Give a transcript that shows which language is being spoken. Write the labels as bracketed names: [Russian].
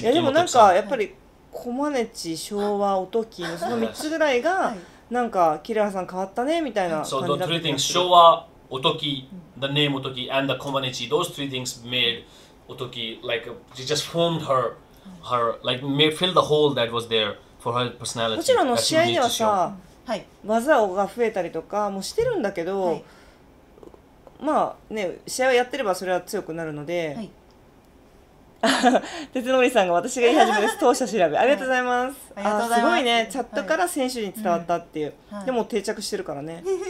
[Japanese] おときさん。いやでもなんかやっぱりコマネチ、昭和、おときのその3つぐらいがなんかキレハさん変わったねみたいな感じだった。 [English] So those three things, 昭和、おとき、the name おとき and the コマネチ, those three things made おとき like she just formed her. Her like may fill the hole that was there for her personality. [Japanese] もちろんの試合ではさ、はい、技が増えたりとかもしてるんだけど、はい、まあね試合をやってればそれは強くなるので、はい、鉄の森さんが私が言い始めです。当社調べありがとうございます。はい、すごいねチャットから選手に伝わったっていう、はい、でも定着してるからね。